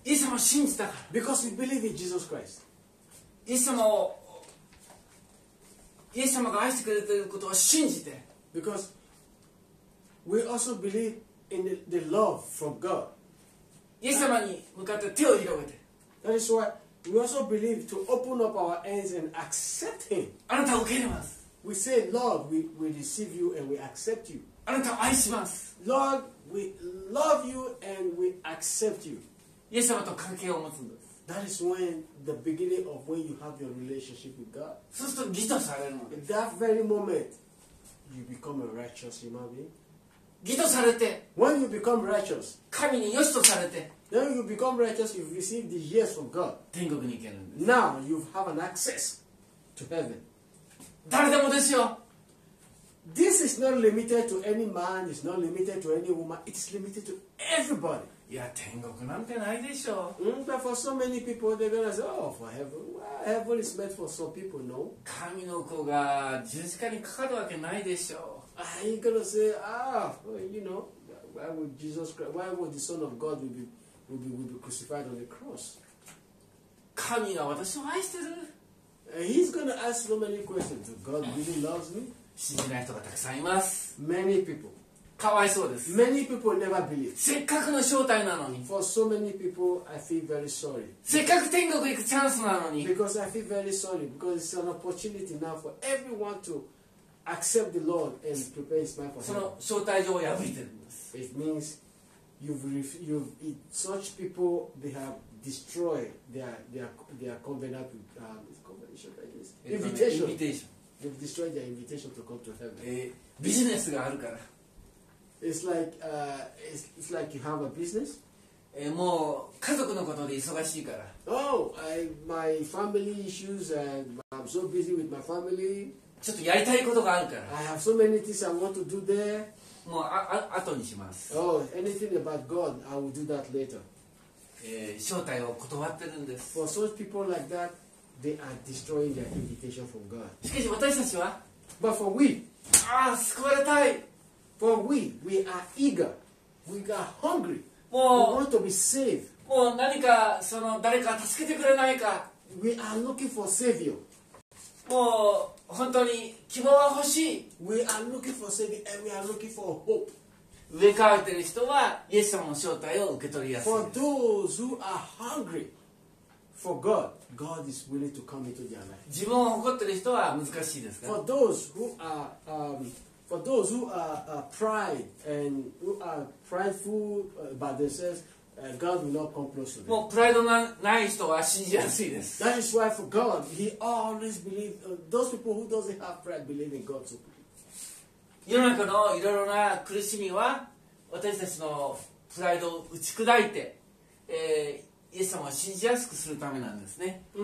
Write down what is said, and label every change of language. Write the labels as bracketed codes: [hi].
[ja] イエス様を信じたから。 [en] Because we believe in Jesus Christ. [ja] イエス様が愛してくれてることを信じて。 [en] Because we also believe. In the love from God. [ja] イエス様に向かって手を広げて。 [en] That is why we also believe to open up our hands and accept Him. [ja] あなたを受け入れます。 [en] We say, Lord, we receive you and we accept you. [ja] あなたを愛します。 [en] Lord, we love you and we accept you. [ja] イエス様と関係を持つんです。 [en] That is when the beginning of when you have your relationship with God. [ja] そうすると義とされるの。 [en] In that very moment, you become a righteous human being. [ja] 義とされて、 [en] when you become righteous, [ja] 神に良しとされて、 [en] then you become righteous, you've received the yes from God. [ja] 天国に行けるんです。 [en] Now you have an access to heaven. [ja] 誰でもですよ。 [en] This is not limited to any man, it's not limited to any woman, it's limited to everybody. [ja] いや、天国なんてないでしょう。 [en] うん、but for so many people, they're gonna say, oh, for heaven. Well, heaven is meant for some people, no? [ja] 神の子が十字架にかかるわけないでしょう。 [en] Are you gonna say, ah, you know, why would Jesus Christ, why would the Son of God be crucified on the cross? [ja] 神が私を愛してる。 [en] He's gonna ask so many questions. God really loves me? [ja] 信じない人がたくさんいます。 [en] Many people. [ja] かわいそうです。 [en] Many people never believe. [ja] せっかくの正体なのに。 [en] For so many people, I feel very sorry. [ja] せっかく天国行くチャンスなのに。 [en] Because I feel very sorry, because it's an opportunity now for everyone to accept the Lord and prepare his mind for him. [ja] その招待状を破いてるんです。 [en] It means you've such people they have destroyed their covenant with covenant, I guess. Invitation. They've destroyed their invitation to come to heaven. [ja] ビジネスがあるから。 [en] It's like you have a business. [ja] もう家族のことで忙しいから。 [en] Oh, my family issues and I'm so busy with my family. [ja] ちょっとやりたいことがあるから。 [en] I have so many things I want to do there. [ja] もうあとにします。 [en] Oh, anything about God, I will do that later. [ja] 招待を断ってるんです。 [en] For such people like that, they are destroying their invitation from God. [ja] しかし私たちは。 [en] But for we. [ja] ああ、救われたい。 [en] For we are eager, we are hungry, we want to be saved. [ja] もう何かその誰か助けてくれないか。 [en] We are looking for savior. [ja] もう本当に希望は欲しい。 [en] We are looking for savior and we are looking for hope. [ja] 飢えかれてる人はイエス様の招待を受け取りやすい。 [en] For those who are hungry for God, God is willing to come into their life. [ja] 自分を誇ってる人は難しいですか。 [en] For those who are For those who are pride and who are prideful about themselves, God will not come close to them. [ja] もうプライドのない人は信じやすいです。 [en] That is why for God, He always believes those people who doesn't have pride believe in God. [ja] 世の中のいろいろな苦しみは私たちのプライドを打ち砕いて、イエス様を信じやすくするためなんですね。